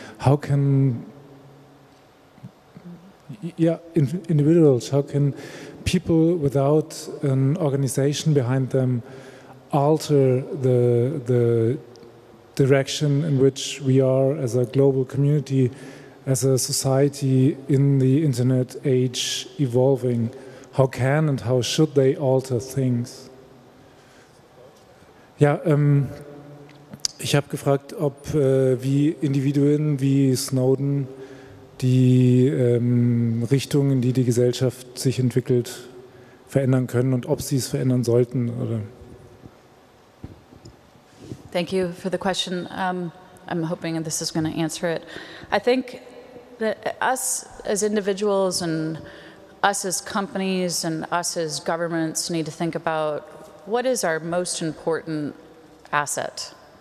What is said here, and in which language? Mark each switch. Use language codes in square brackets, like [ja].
[en] How can individuals, how can people without an organization behind them alter the direction in which we are as a global community as a society in the internet age evolving? How can and how should they alter things? [de] Ja, ich habe gefragt, ob wie Individuen wie Snowden die Richtung, in die die Gesellschaft sich entwickelt, verändern können und ob sie es verändern sollten. Oder. [en] Thank you for the question. I'm hoping this is going to answer it. I think that us as individuals and us as companies and us as governments need to think about what is our most important asset.